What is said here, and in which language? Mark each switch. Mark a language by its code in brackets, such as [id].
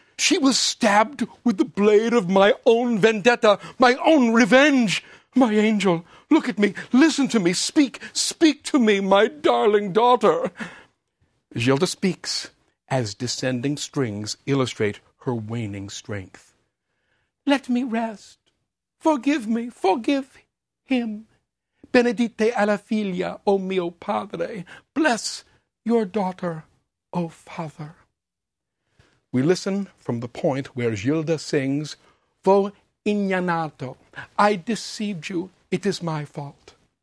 [en] She was stabbed with the blade of my own vendetta, my own revenge. My angel, look at me, listen to me, speak to me, my darling daughter. Gilda speaks as descending strings illustrate her waning strength. Let me rest. Forgive me, forgive him. [it] Benedite alla figlia, o mio padre. [en] Bless your daughter, o father. We listen from the point where Gilda sings, [it] Vo ignanato, [en] I deceived you, it is my fault.